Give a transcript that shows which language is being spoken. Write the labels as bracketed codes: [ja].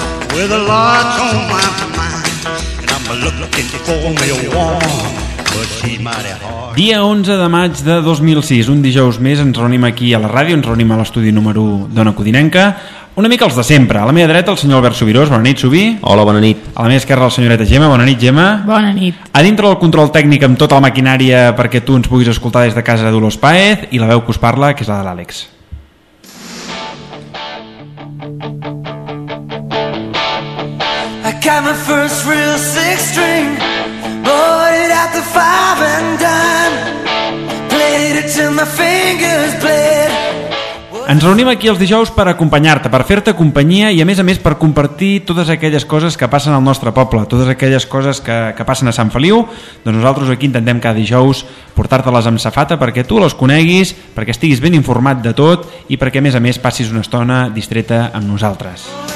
[en] With a lot on my mind, and I'm looking for me a woman. [ca] Dia 11 de maig de 2006, un dijous més, ens reunim aquí a la ràdio, ens reunim a l'estudi número 1 d'Ona Codinenca, una mica els de sempre. A la meva dreta, el senyor Albert Subirós. Bona nit, Subi. Hola, bona nit. A la meva esquerra, la senyoreta Gemma. Bona nit, Gemma. Bona nit. A dintre del control tècnic amb tota la maquinària perquè tu ens puguis escoltar des de casa, de Dolors Paez, i la veu que us parla, que és la de l'Àlex. [en] I got my first real six string. Bought it at the five and dime. Played it till my fingers bled. [ca] Ens reunim aquí els dijous per acompanyar-te, per fer-te companyia i a més per compartir totes aquelles coses que passen al nostre poble, totes aquelles coses que passen a Sant Feliu. Doncs nosaltres aquí intentem cada dijous portar-te-les amb safata perquè tu les coneguis, perquè estiguis ben informat de tot i perquè a més passis una estona distreta amb nosaltres.